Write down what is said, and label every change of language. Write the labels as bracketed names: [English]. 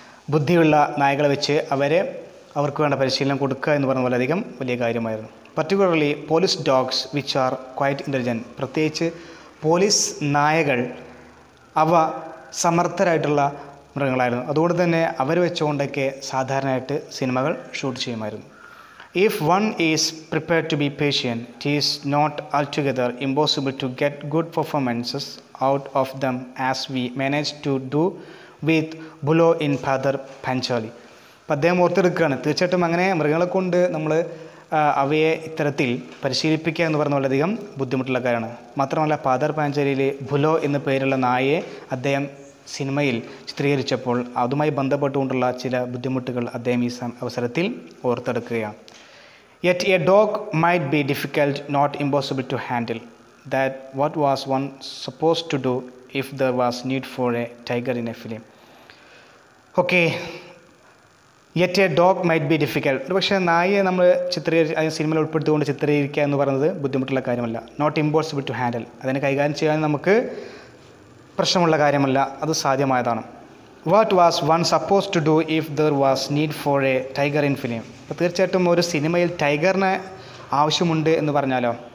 [Malayalam] ബുദ്ധിയുള്ള നായകളെ വെച്ച് അവരെ അവർക്ക് വേണ്ട പരിശീലനം കൊടുക്കുക എന്ന് പറഞ്ഞ വളരെയധികം വലിയ കാര്യമായിരുന്നു [English] particularly police dogs which are quite intelligent [Malayalam] പ്രത്യേകിച്ച് പോലീസ് നായകൾ അവ സമർത്ഥരായിട്ടുള്ള മൃഗങ്ങളായിരുന്നു അതുകൊണ്ട് തന്നെ അവർ വെച്ചുകൊണ്ടൊക്കെ സാധാരണയായിട്ട് സിനിമകൾ ഷൂട്ട് ചെയ്യുമായിരുന്നു [English] If one is prepared to be patient, it is not altogether impossible to get good performances out of them as we managed to do with Bulo in Padar Panchali. [Malayalam] അപ്പം അദ്ദേഹം ഓർത്തെടുക്കുകയാണ്, തീർച്ചയായിട്ടും അങ്ങനെ മൃഗങ്ങളെ കൊണ്ട് നമ്മൾ അവയെ ഇത്തരത്തിൽ പരിശീലിപ്പിക്കുക എന്ന് പറഞ്ഞ വളരെയധികം ബുദ്ധിമുട്ടുള്ള കാര്യമാണ്. മാത്രമല്ല പാദർ പാഞ്ചാലിയിലെ ബുലോ എന്ന പേരുള്ള നായയെ അദ്ദേഹം സിനിമയിൽ ചിത്രീകരിച്ചപ്പോൾ അതുമായി ബന്ധപ്പെട്ടുകൊണ്ടുള്ള ചില ബുദ്ധിമുട്ടുകൾ അദ്ദേഹം ഈ അവസരത്തിൽ ഓർത്തെടുക്കുകയാണ്. [English] Yet a dog might be difficult, not impossible to handle. That what was one supposed to do if there was need for a tiger in a film. Okay. Yet a dog might be difficult. [Malayalam] ഒരു പക്ഷേ നായയെ നമ്മൾ സിനിമയിൽ ഉൾപ്പെടുത്തുകൊണ്ട് ചിത്രീകരിക്കുക എന്ന് പറയുന്നത് ബുദ്ധിമുട്ടുള്ള കാര്യമല്ല. [English] Not impossible to handle. [Malayalam] അതിനെ കൈകാര്യം ചെയ്യാൻ നമുക്ക് പ്രശ്നമുള്ള കാര്യമല്ല, അത് സാധ്യമായതാണ്. [English] What was one suppose to do if there was need for a tiger in film. [Malayalam] അപ്പോൾ തീർച്ചയായിട്ടും ഒരു സിനിമയിൽ ടൈഗറിന് ആവശ്യമുണ്ട് എന്ന് പറഞ്ഞാലോ,